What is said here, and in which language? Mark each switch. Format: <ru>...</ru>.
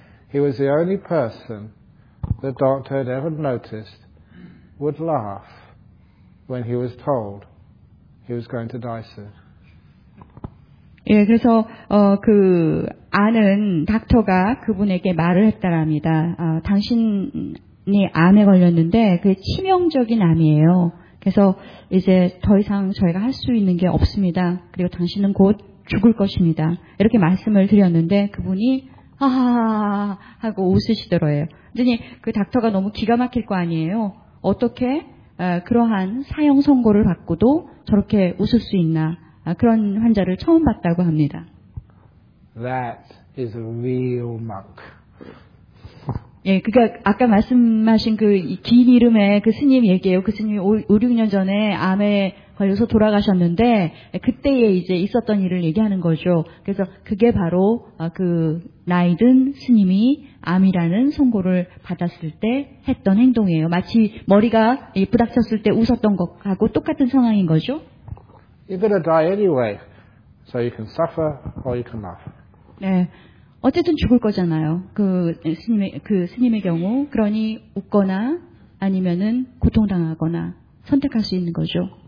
<en>He was the only person the doctor had ever noticed would laugh when he was told he was going to die soon.</en> <ko>예, 그래서 그 아는 닥터가 그분에게 말을 했다랍니다. 당신이 암에 걸렸는데 그게 치명적인 암이에요. 그래서 이제 더 이상 저희가 할 수 있는 게 없습니다. 그리고 당신은 곧 죽을 것입니다. 이렇게 말씀을 드렸는데 그분이 하고 웃으시더라고요. 그러니 그 닥터가 너무 기가 막힐 거 아니에요. 어떻게 그러한 사형 선고를 받고도 저렇게 웃을 수 있나? 그런 환자를 처음 봤다고 합니다.</ko> <en>That is a real monk.</en> <ko>예, 그러니까 아까 말씀하신 그 긴 이름의 그 스님 얘기예요. 그 스님이 5-6년 전에 암에 걸려서 돌아가셨는데 그때에 이제 있었던 일을 얘기하는 거죠. 그래서 그게 바로 그 나이 든 스님이 암이라는 선고를 받았을 때 했던 행동이에요. 마치 머리가 부닥쳤을 때 웃었던 것하고 똑같은 상황인 거죠.</ko> <en>You're gonna die anyway, so you can suffer or you can laugh.</en> <ko>네. 어쨌든 죽을 거잖아요. 그 스님의 경우 그러니 웃거나 아니면은 고통당하거나 선택할 수 있는 거죠.</ko>